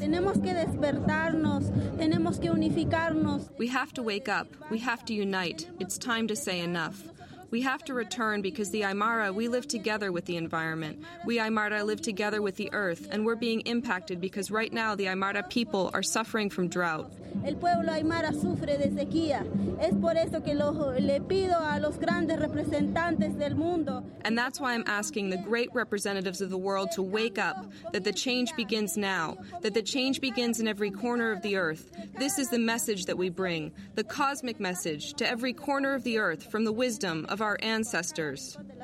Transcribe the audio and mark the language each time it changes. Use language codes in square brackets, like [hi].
[en] We have to wake up. We have to unite. It's time to say enough. We have to return because the Aymara, we live together with the environment. We Aymara live together with the earth, and we're being impacted because right now the Aymara people are suffering from drought. [es] El pueblo Aymara sufre de sequía. Es por eso que le pido a los grandes representantes del mundo. [en] And that's why I'm asking the great representatives of the world to wake up, that the change begins now, that the change begins in every corner of the earth. This is the message that we bring, the cosmic message to every corner of the earth from the wisdom of our ancestors.